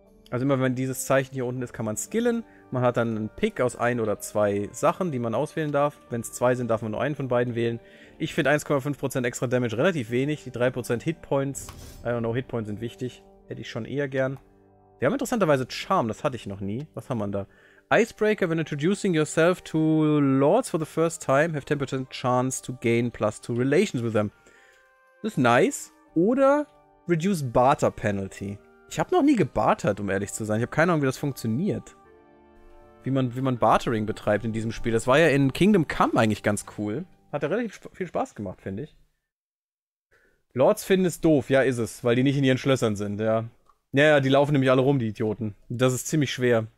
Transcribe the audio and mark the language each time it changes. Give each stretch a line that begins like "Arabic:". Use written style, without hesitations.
German: Also immer wenn dieses Zeichen hier unten ist, kann man skillen. Man hat dann einen Pick aus ein oder zwei Sachen, die man auswählen darf. Wenn es zwei sind, darf man nur einen von beiden wählen. Ich finde 1,5% extra Damage relativ wenig, die 3% Hitpoints,
English: I don't know,
German: Hitpoints sind wichtig, hätte ich schon eher gern. Wir haben interessanterweise Charm, das hatte ich noch nie. Was haben wir da?
English: Icebreaker, when introducing yourself to lords for the first time, have 10% chance to gain plus 2 relations with them.
German: Das ist nice. Oder
English: reduce barter penalty.
German: Ich habe noch nie gebartert, um ehrlich zu sein. Ich habe keine Ahnung, wie das funktioniert. Wie man Bartering betreibt in diesem Spiel. Das war ja in Kingdom Come eigentlich ganz cool. Hat ja relativ viel Spaß gemacht, finde ich. Lords finden es doof. Ja, ist es, weil die nicht in ihren Schlössern sind, ja. Naja, die laufen nämlich alle rum, die Idioten. Das ist ziemlich schwer.